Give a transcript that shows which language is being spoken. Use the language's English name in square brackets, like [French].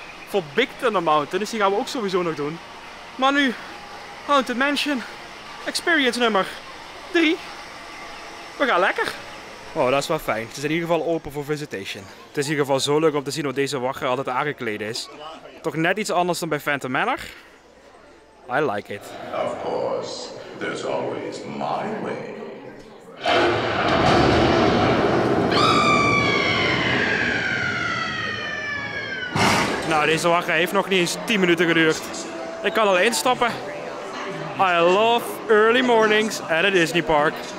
[Dutch] Voor Big Thunder Mountain, dus die gaan we ook sowieso nog doen. Maar nu, Haunted Mansion, experience nummer 3. We gaan lekker. Oh, dat is wel fijn. Het is in ieder geval open voor visitation. Het is in ieder geval zo leuk om te zien hoe deze wachter altijd aangekleed is. Toch net iets anders dan bij Phantom Manor. [English] I like it. Of course, there's always my way. [Dutch] Nou, deze wachter heeft nog niet eens 10 minuten geduurd. Ik kan al instappen. [English] I love early mornings at a Disney park.